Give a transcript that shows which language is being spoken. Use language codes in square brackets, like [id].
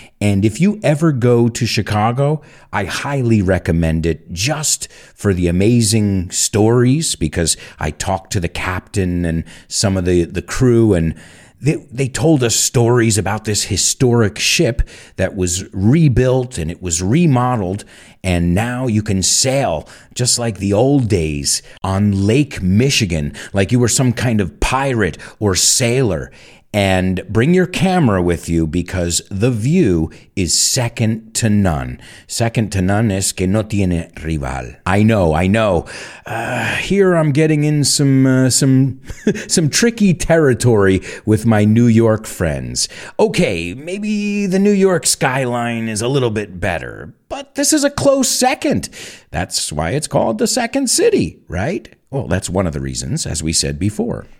[en] And if you ever go to Chicago, I highly recommend it just for the amazing stories, because I talked to the captain and some of the crew, and they told us stories about this historic ship that was rebuilt and it was remodeled, and now you can sail just like the old days on Lake Michigan, like you were some kind of pirate or sailor. And bring your camera with you, because the view is second to none. Second to none [es] es que no tiene rival. [en] I know. Here I'm getting in some tricky territory with my New York friends. Okay, maybe the New York skyline is a little bit better, but this is a close second. That's why it's called the Second City, right? Well, that's one of the reasons, as we said before.